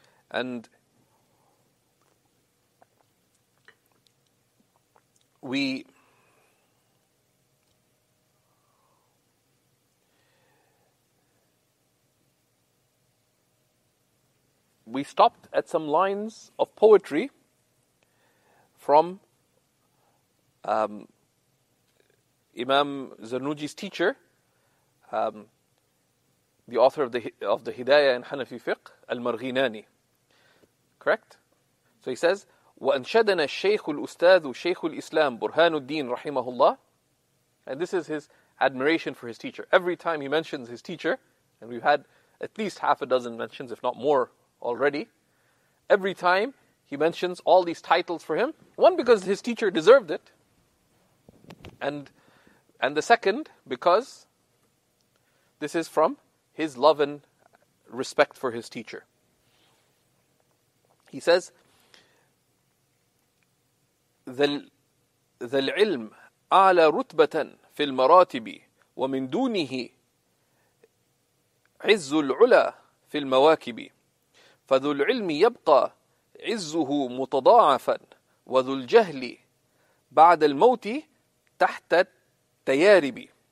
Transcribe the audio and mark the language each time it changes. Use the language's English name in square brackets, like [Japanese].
[English] And we stopped at some lines of poetry from Imam Zarnuji's teacher, the author of the Hidayah in Hanafi Fiqh, Al-Marghinani. Correct? So he says, [Arabic] وَأَنْشَدَنَا الشَّيْخُ الْأُسْتَاذُ شَيْخُ الْإِسْلَامُ بُرْهَانُ الدِّينِ رَحِمَهُ اللَّهِ. [English] And this is his admiration for his teacher. Every time he mentions his teacher, and we've had at least half a dozen mentions, if not more, already. Every time he mentions all these titles for him, one, because his teacher deserved it, and the second, because this is from his love and respect for his teacher. He says, [Arabic] ذا العلم أعلى رتبة في المراتب ومن دونه عز العلا في المواكب فذو العلم يبقى عزه متضاعفا وذو الجهل بعد الموت تحت التيارب.